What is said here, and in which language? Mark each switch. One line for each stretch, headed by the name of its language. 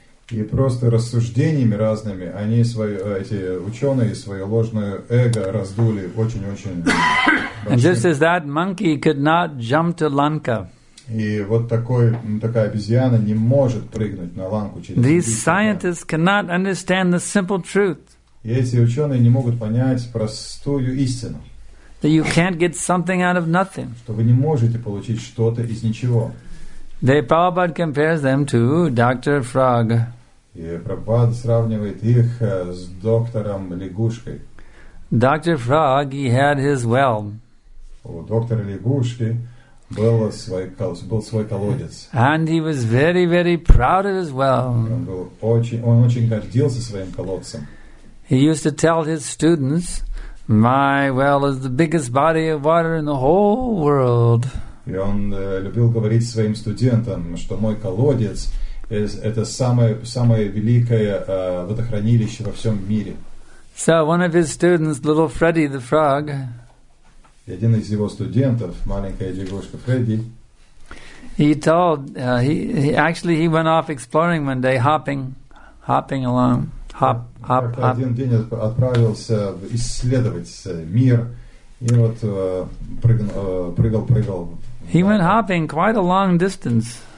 Russian: И просто рассуждениями разными они свои, эти ученые свое ложное эго раздули очень-очень.
English: And just as that monkey could not jump to Lanka.
Russian: И вот такой, такая обезьяна не может прыгнуть на Ланку через.
English: These scientists cannot understand the simple truth.
Russian: И эти ученые не могут понять простую истину.
English: That you can't get something out of nothing.
Russian: Что вы не можете получить что-то из ничего.
English: They Prabhupada compares them to Dr. Frog.
Russian: И Прабхупада сравнивает их с доктором лягушкой.
English: Dr. Frog, he had his well.
Russian: У доктора лягушки был свой колодец.
English: And he was very, very proud of his well.
Russian: Он очень гордился своим колодцем.
English: He used to tell his students, "My well is the biggest body of water in the whole world."
Russian: И он любил говорить своим студентам, что мой колодец это самое великое водохранилище во всем мире.
English: So one of his students, little Freddy the Frog.
Russian: И один из его студентов, маленькая лягушка Фредди.
English: He told he went off exploring one day, hopping along, hop.
Russian: Один день отправился исследовать мир и вот прыгал.
English: He went hopping quite a long distance.